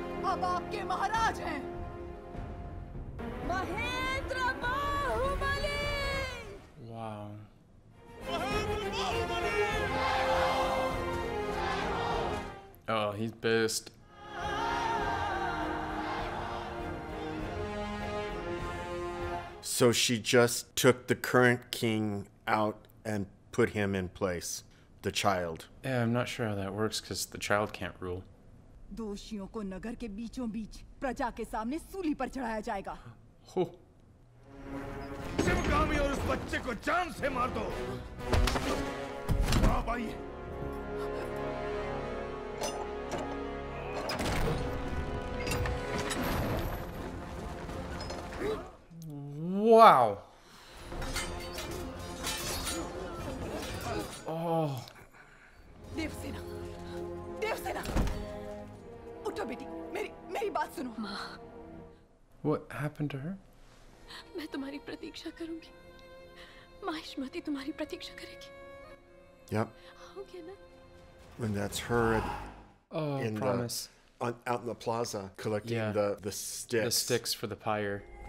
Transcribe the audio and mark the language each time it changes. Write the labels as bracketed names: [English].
[Hindi] अब आपके महाराज हैं Mahendra [English] Baahubali Oh, he's pissed. So she just took the current king out and put him in place. The child. Yeah, I'm not sure how that works because the child can't rule. [Hindi] दोषियों को नगर के बीचों बीच प्रजा के सामने सूली पर चढ़ाया जाएगा. हो. शिवकामी और उस बच्चे को जान से मार दो. आ भाई. [English] Wow. Oh. [Hindi] देवसेना, उठो बेटी, मेरी बात सुनो। माँ, [English] What happened to her? [Hindi] मैं तुम्हारी प्रतीक्षा करूँगी। माहिष्मती तुम्हारी प्रतीक्षा करेगी। [English] Yep. Okay, ना? When that's heard, Out in the plaza, collecting the sticks. The sticks for the pyre.